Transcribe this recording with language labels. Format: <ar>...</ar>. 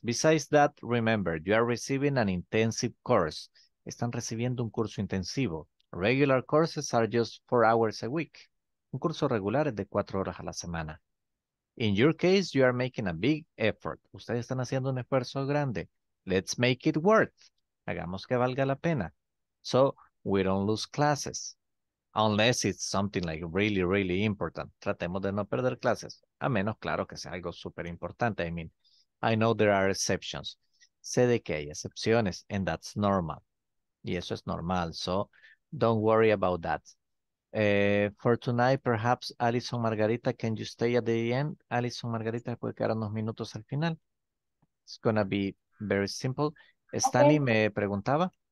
<en>Besides that, remember, you are receiving an intensive course.</en> <es>Están recibiendo un curso intensivo.</es> <en>Regular courses are just 4 hours a week.</en> <es>Un curso regular es de 4 horas a la semana.</es> <en>In your case, you are making a big effort.</en> <es>Ustedes están haciendo un esfuerzo grande.</es> <en>Let's make it worth.</en> <es>Hagamos que valga la pena. So,</es> <en>we don't lose classes. Unless it's something like really, really important.</en> <es>Tratemos de no perder clases. A menos, claro, que sea algo súper importante.</es> <en>I mean, I know there are exceptions.</en> <es>Sé de que hay excepciones,</es> <en>and that's normal.</en> <es>Y eso es normal,</es> <en>so don't worry about that. For tonight, perhaps, Alison Margarita, can you stay at the end?</en> <es>Alison Margarita, puede quedar unos minutos al final.</es> <en>It's gonna be very simple. Stanley, okay.</en> <es>Me preguntaba.</es>